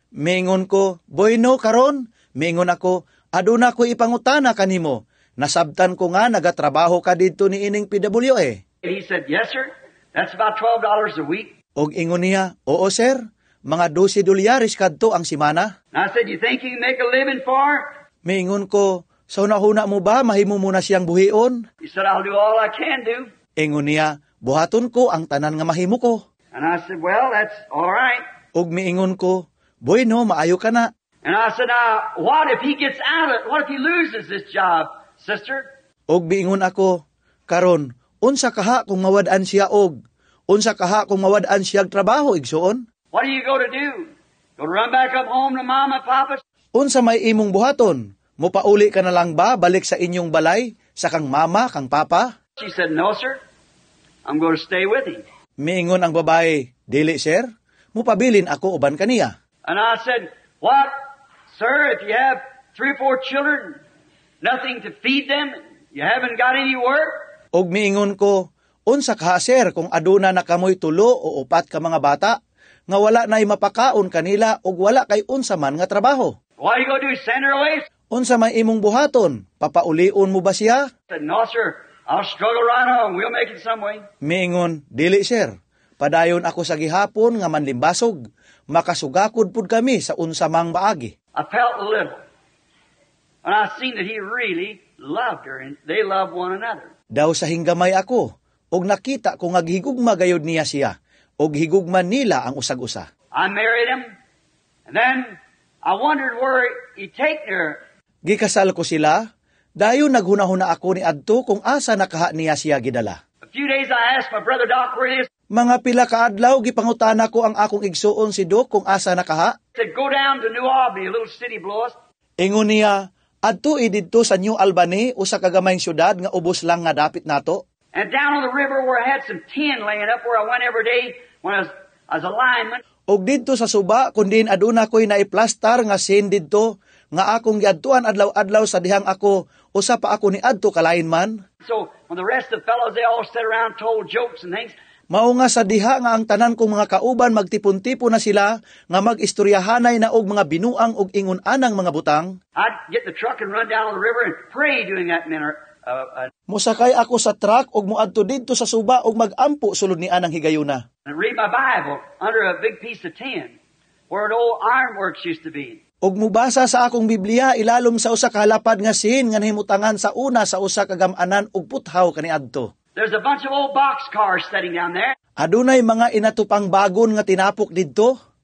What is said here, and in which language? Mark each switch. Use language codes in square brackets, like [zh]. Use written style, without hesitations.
[ceb] Mingon ko, bueno, karon. Mingon ako, aduna ko ipangutana ka ni mo. Nasabtan ko nga, nagatrabaho ka dito ni ining PWA. [en] He said, yes, sir. That's about $12 a week. [ceb] Og ingon niya, oo, sir. Mga 12 dolyaris kadto ang simana. [en] I said, you think you can make a living for? [ceb] Miingon ko, sa huna-huna mo ba, mahimo muna siyang buhion? [en] He said, I'll do all I can do. [ceb] Ingon niya, buhaton ko ang tanan nga mahimo ko. [en] And I said, well, that's all right. [ceb] Og miingon ko, bueno, maayo ka na. [en] And I said, what if he gets out of it? What if he loses this job? sister? [ceb] Og biingon ako, karon, unsa kaha kung mawad-an siya og? Unsa kaha kung mawad-an siyag trabaho, igsoon? [en] What are you going to do? Go run back up home to mama and papa? [ceb] Unsa may imong buhaton? Mupauli ka na lang ba balik sa inyong balay, sa kang mama, kang papa? [en] She said, no, sir. I'm going to stay with him. [ceb] Miingon ang babae, dili, sir. Mupabilin ako uban kaniya. [en] And I said, what? Sir, if you have 3 or 4 children, nothing to feed them, you haven't got any work? [ceb] Og miingon ko, unsa ka, sir, kung aduna na kamoy tulo o upat ka mga bata, nga wala na'y mapakaon kanila og wala kay unsa man nga trabaho. [en] What are you going to do, send her away? [ceb] Unsa may imong buhaton? Papauliun mo ba siya? [en] No, sir. I'll struggle right on. We'll make it some way. [ceb] Miingon, dili, sir. Padayon ako sa gihapon nga manlimbasog. Makasugakod pud kami sa unsa mang baagi. [en] I felt a little. And I seen that he really loved her and they loved one another. [ceb] Daw sa hinggamay ako, og nakita ko nga gihigugma gayod niya siya, og higugma nila ang usag-usa. [en] I married him, and then I wondered where he'd take her. [ceb] Gikasal ko sila, dayon naghunahuna ako ni adto kung asa nakaha niya siya gidala. [en] A few days I asked my brother Doc where it is. [ceb] Mga pila kaadlaw, gipangutana ko ang akong igsuon si Doc kung asa nakaha. [en] He said, go down to New Albany, a little city blows. [ceb] Ingon niya, adto idito sa New Albany, usa ka gamayng syudad nga ubos lang nga dapit nato. [en] And down on the river where I had some tin laying up where I went every day when I was a lineman. [ceb] Og dito sa suba, kundin aduna ko'y naiplastar nga sin dito, nga akong giadtuan adlaw-adlaw sa dihang ako, usa pa ako ni adto ka lineman. [en] So, when the rest of the fellows, they all sat around told jokes and things. [ceb] Mao nga sa diha nga ang tanan kong mga kauban magtipon-tipo na sila nga mag-istoryahanay na og mga binuang og ingon-anang mga butang. [en] I'd get the truck and run down the river and pray during that manner. [ceb] Musakay ako sa truck og muadto dito sa suba og mag-ampo sulod ni anang higayuna. [en] And read my Bible under a big piece of tin where an old ironworks used to be. [ceb] Og mubasa sa akong Biblia ilalom sa usa ka halapad nga sin nga nahimutangan sa una sa usa ka gamanan og puthaw kaniadto. [en] There's a bunch of old boxcars sitting down there. [ceb] Adunay mga inatupang bagon nga tinapok didto.